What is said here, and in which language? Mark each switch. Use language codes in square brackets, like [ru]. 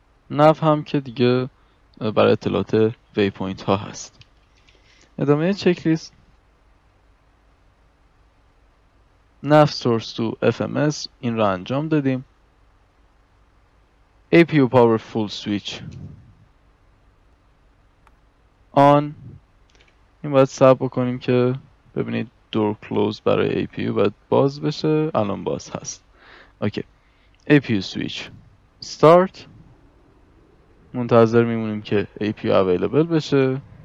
[fa] نف هم که دیگه برای اطلاعات ویپوینت ها هست. ادامه چکلیست. نف سورس تو FMS این را انجام دادیم. [en] APU power full switch on. [fa] این باید سب بکنیم که ببینید door close برای APU باید باز بشه. الان باز هست. اوکی. [en] APU switch start. [fa] منتظر میمونیم که APU available بشه.